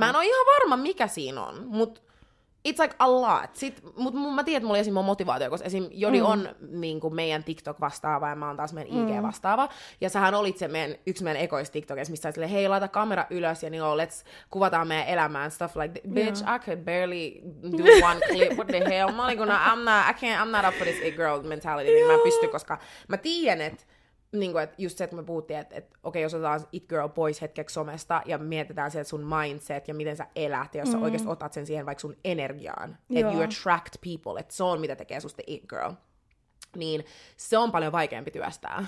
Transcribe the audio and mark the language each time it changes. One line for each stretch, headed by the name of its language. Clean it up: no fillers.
Finnish: Mä en ole ihan varma, mikä siinä on, mutta
English: it's like a lot.
Finnish: Mä tiedän, että mulla oli esim. Motivaatio, koska esim. Jodi on niin kuin meidän TikTok-vastaava ja mä oon taas meidän IG-vastaava. Ja sähän olit se meidän, yksi meidän ekoista TikTokista, missä sä olet hei, laita kamera ylös ja niin on, let's kuvataan meidän elämään.
English: Stuff like, bitch, yeah. I could barely do one clip. What the hell? Mä olin, I'm not up for this it girl mentality.
Finnish: Yeah. Niin mä pystyn, koska mä tiedän, että niin kuin, että just se, että me puhuttiin, että okei, jos otetaan it girl pois hetkeksi somesta ja mietitään sieltä sun mindset ja miten sä elät ja jos sä oikeasti otat sen siihen vaikka sun energiaan, että
English: you attract people,
Finnish: että se on mitä tekee susta it girl, niin se on paljon vaikeampi työstää.